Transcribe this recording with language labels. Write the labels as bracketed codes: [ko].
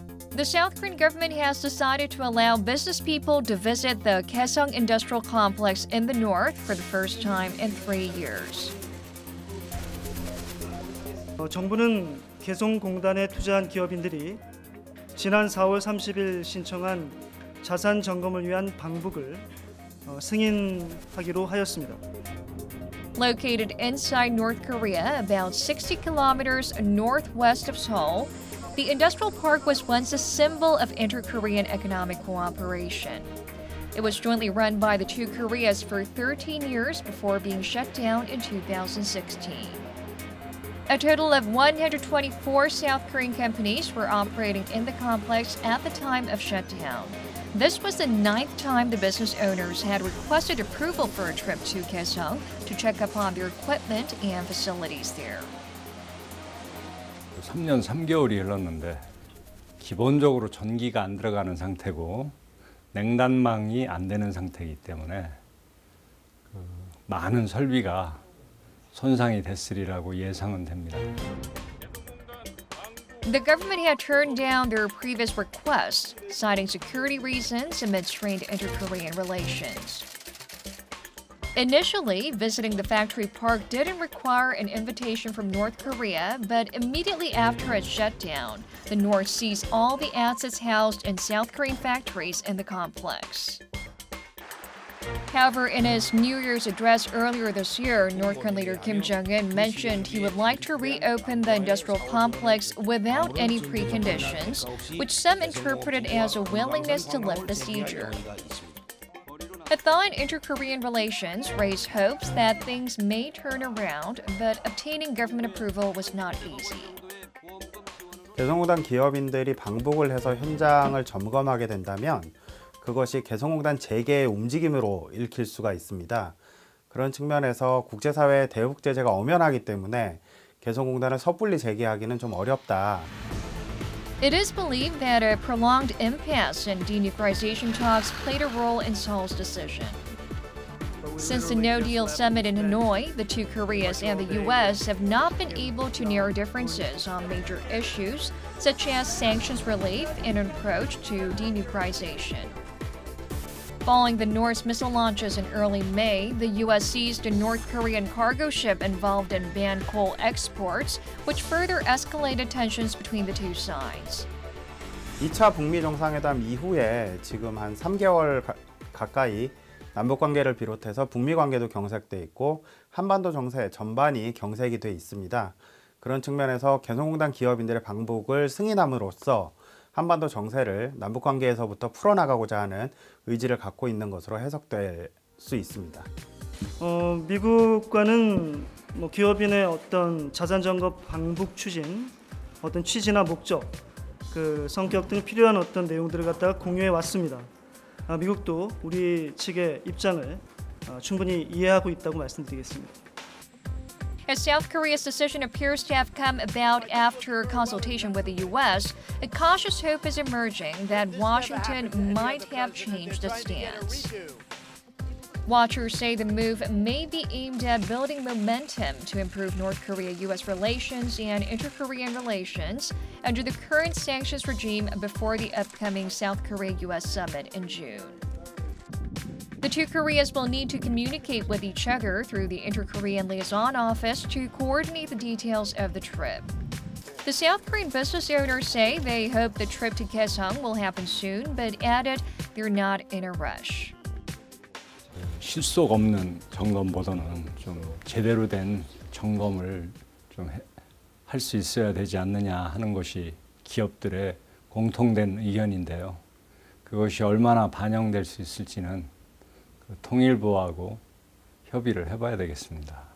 [en] The South Korean government has decided to allow business people to visit the Kaesong Industrial Complex in the north for the first time in 3 years. [ko] 정부는 개성공단에 투자한 기업인들이 지난 4월 30일 신청한 자산 점검을 위한 방북을 승인하기로 하였습니다. [en] Located inside North Korea, about 60 kilometers northwest of Seoul, the industrial park was once a symbol of inter-Korean economic cooperation. It was jointly run by the two Koreas for 13 years before being shut down in 2016. A total of 124 South Korean companies were operating in the complex at the time of shutdown. This was the ninth time the business owners had requested approval for a trip to Kaesong to check up on their equipment and facilities there. [ko] 3년 3개월이 흘렀는데 기본적으로 전기가 안 들어가는 상태고 냉난망이 안 되는 상태이기 때문에 많은 설비가 손상이 됐으리라고 예상은 됩니다. [en] The government had turned down their previous request, citing security reasons amid strained inter-Korean relations. Initially, visiting the factory park didn't require an invitation from North Korea, but immediately after its shutdown, the North seized all the assets housed in South Korean factories in the complex. However, in his New Year's address earlier this year, North Korean leader Kim Jong-un mentioned he would like to reopen the industrial complex without any preconditions, which some interpreted as a willingness to lift the siege. A thaw in inter-Korean relations raised hopes that things may turn around, but obtaining government approval was not easy. [ko] 개성공단 기업인들이 방북을 해서 현장을 점검하게 된다면 그것이 개성공단 재개의 움직임으로 읽힐 수가 있습니다. 그런 측면에서 국제사회의 대북 제재가 엄연하기 때문에 개성공단을 섣불리 재개하기는 좀 어렵다. [en] It is believed that a prolonged impasse in denuclearization talks played a role in Seoul's decision. Since the no-deal summit in Hanoi, the two Koreas and the U.S. have not been able to narrow differences on major issues such as sanctions relief and an approach to denuclearization. Following the North's missile launches in early May, the U.S. seized a North Korean cargo ship involved in banned coal exports, which further escalated tensions between the two sides. [ko] 2차 북미 정상회담 이후에 지금 한 3개월 가까이 남북 관계를 비롯해서 북미 관계도 경색돼 있고 한반도 정세 전반이 경색이 돼 있습니다. 그런 측면에서 개성공단 기업인들의 방북을 승인함으로써 한반도 정세를 남북 관계에서부터 풀어나가고자 하는 의지를 갖고 있는 것으로 해석될 수 있습니다. 미국과는 뭐 기업인의 어떤 자산 점검 방북 추진, 어떤 취지나 목적, 그 성격 등 필요한 어떤 내용들을 갖다가 공유해 왔습니다. 미국도 우리 측의 입장을 충분히 이해하고 있다고 말씀드리겠습니다. [en] As South Korea's decision appears to have come about after consultation with the U.S., a cautious hope is emerging that Washington might have changed its stance. Watchers say the move may be aimed at building momentum to improve North Korea-U.S. relations and inter-Korean relations under the current sanctions regime before the upcoming South Korea-U.S. summit in June. The two Koreas will need to communicate with each other through the Inter-Korean Liaison Office to coordinate the details of the trip. The South Korean business owners say they hope the trip to Kaesong will happen soon, but added they're not in a rush. [ko] 실속 없는 점검보다는 좀 제대로 된 점검을 좀 할 수 있어야 되지 않느냐 하는 것이 기업들의 공통된 의견인데요. 그것이 얼마나 반영될 수 있을지는 통일부하고 협의를 해봐야 되겠습니다.